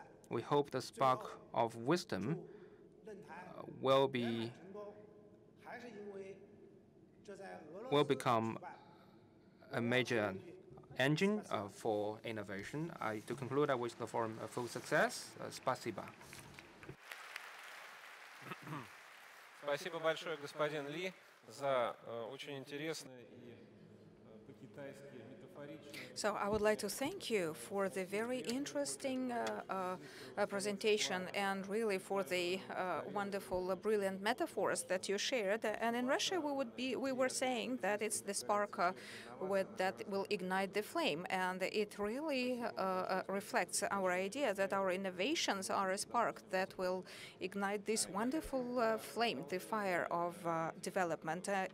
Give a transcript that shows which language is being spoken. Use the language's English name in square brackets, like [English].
[English] We hope the spark of wisdom will become a major engine for innovation. To conclude, I wish the forum a full success. [Russian] Спасибо. Спасибо большое, господин Ли, за очень интересное и по-китайски метафоричное. [English] So I would like to thank you for the very interesting presentation and really for the wonderful, brilliant metaphors that you shared. And in Russia, we were saying that it's the spark that will ignite the flame, and it really reflects our idea that our innovations are a spark that will ignite this wonderful flame, the fire of development.